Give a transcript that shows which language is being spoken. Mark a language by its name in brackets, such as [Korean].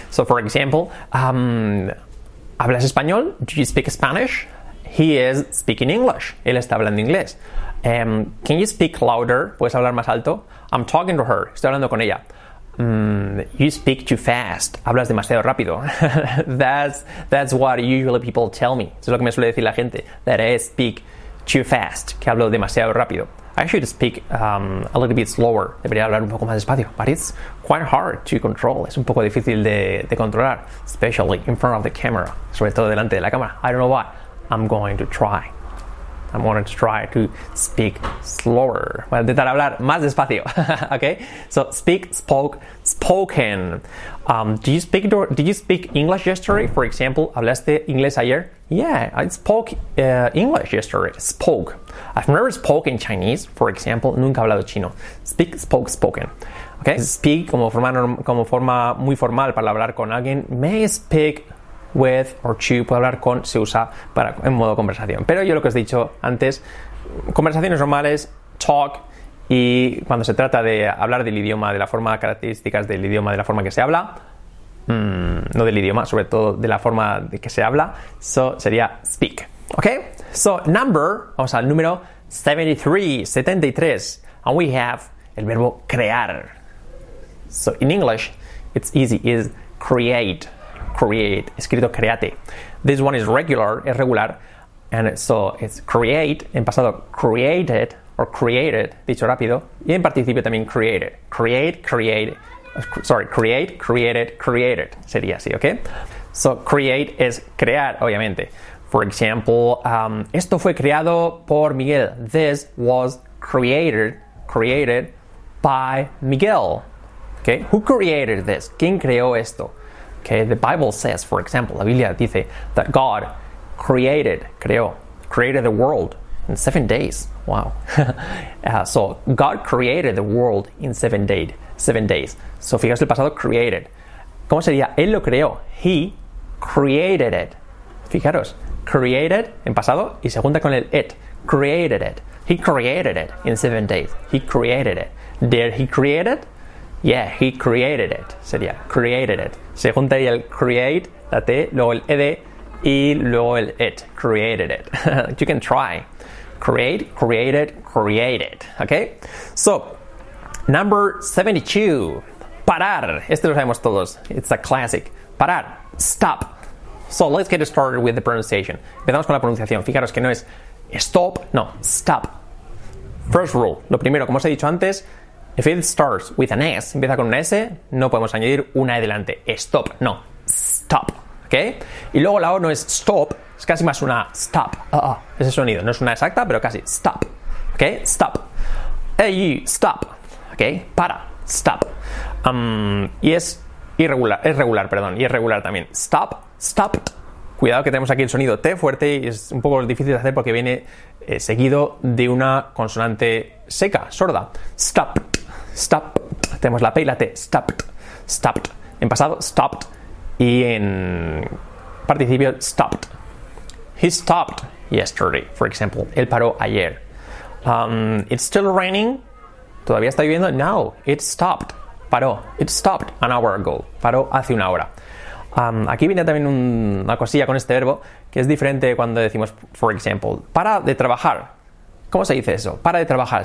[English] So, for example, [Spanish] ¿hablas español? [English] Do you speak Spanish? He is speaking English. [Spanish] Él está hablando inglés. [English] Can you speak louder? [Spanish] ¿Puedes hablar más alto? [English] I'm talking to her. [Spanish] Estoy hablando con ella. [English] You speak too fast. [Spanish] Hablas demasiado rápido. [English] that's what usually people tell me. [Spanish] Eso es lo que me suele decir la gente. [English] That I speak too fast. [Spanish] Que hablo demasiado rápido. [English] I should speak a little bit slower. [Spanish] Debería hablar un poco más despacio. [English] But it's quite hard to control. [Spanish] Es un poco difícil de controlar. [English] Especially in front of the camera. [Spanish] Sobre todo delante de la cámara. [English] I don't know why. I'm going to try. I'm going to try to speak slower. [Spanish] Voy a intentar hablar más despacio. [English] Okay? So, speak, spoke, spoken. Do you speak English yesterday? [Spanish] For example, ¿hablaste inglés ayer? [English] Yeah, I spoke English yesterday. Spoke. I've never spoken Chinese. For example, [Spanish] nunca he hablado chino. [English] Speak, spoke, spoken. Okay? [Spanish] Speak, como forma muy formal para hablar con alguien. [English] May speak with or to, [Spanish] puede hablar con, se usa para, en modo conversación. Pero yo lo que os he dicho antes, conversaciones normales, talk, y cuando se trata de hablar del idioma, de la forma, características del idioma, de la forma que se habla, no del idioma, sobre todo de la forma de que se habla, so sería speak. Ok, so number, vamos al número 73, [English] and we have [Spanish] el verbo crear. [English] So in English, it's easy, is create. Create, escrito create. This one is regular, es regular, and so it's create, en pasado created, or created, dicho rápido, [Spanish] y en participio también [English] created. Create, create, sorry, create, created, created, sería así, ¿ok? [Spanish] So create es crear, obviamente. For example, esto fue creado por Miguel. [English] This was created by Miguel. Okay? Who created this? [Spanish] ¿Quién creó esto? [English] Okay, the Bible says, for example, [Spanish] la Biblia dice [English] that God created the world in 7 days. Wow. So God created the world in 7 days. [Spanish] So fijaos el pasado created. ¿Cómo sería? Él lo creó. [English] He created it. [Spanish] Fijaros, created en pasado y se junta con el it. Created it. [English] He created it in 7 days. He created it. Did he create it? Yeah, he created it. Sería created it. [Spanish] Se juntaría el create, la T, luego el ED y luego el it. [English] Created it. You can try. Create, created, created. Okay? So, number 72. Parar. [Spanish] Este lo sabemos todos. [English] It's a classic. Parar. Stop. So, let's get started with the pronunciation. [Spanish] Empezamos con la pronunciación. Fijaros que no es stop, no. Stop. [English] First rule. [Spanish] Lo primero, como os he dicho antes, [English] if it starts with an S, [Spanish] empieza con una S, no podemos añadir una E delante. Stop, no. Stop. ¿Ok? Y luego la O no es stop, es casi más una stop. Ese sonido. No es una exacta, pero casi. [English] Stop. ¿Ok? Stop. Hey, you, stop. ¿Ok? Para. Stop. [Spanish] Y es irregular. Es regular, perdón. Y es regular también. Stop. Stopped. Cuidado que tenemos aquí el sonido T fuerte y es un poco difícil de hacer porque viene seguido de una consonante seca, sorda. Stop. Stop. Tenemos la P y la T. Stopped. Stopped. En pasado, stopped. Y en participio, stopped. [English] He stopped yesterday, for example. [Spanish] Él paró ayer. [English] It's still raining. [Spanish] ¿Todavía está lloviendo? [English] No. It stopped. Paró. It stopped an hour ago. [Spanish] Paró hace una hora. Aquí viene también una cosilla con este verbo que es diferente cuando decimos, for example, para de trabajar. ¿Cómo se dice eso? Para de trabajar.